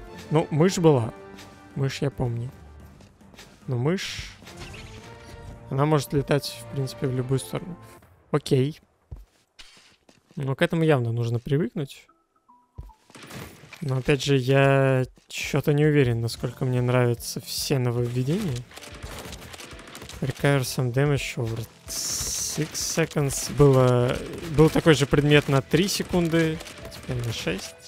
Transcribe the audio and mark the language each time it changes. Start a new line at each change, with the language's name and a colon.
Russian: Ну, мышь была. Мышь я помню. Но мышь... Она может летать, в принципе, в любую сторону. Окей. Но к этому явно нужно привыкнуть. Но опять же, я что-то не уверен, насколько мне нравятся все нововведения.
English: Recover some damage over 6 seconds.
Russian: Был такой же предмет на 3 секунды. Теперь на 6.